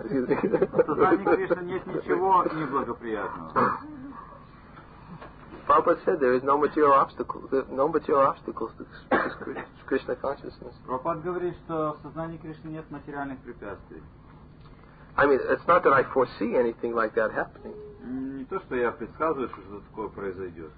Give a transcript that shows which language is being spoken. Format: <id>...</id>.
<ru>В сознании Кришны нет ничего неблагоприятного.</ru> <en>Prabhupada said there is no material obstacles to Krishna consciousness.</en> <ru>Prabhupada говорит, что в сознании Кришны нет материальных препятствий.</ru> <en>I mean, it's not that I foresee anything like that happening.</en> <ru>Не то, что я предсказываю, что такое произойдет.</ru>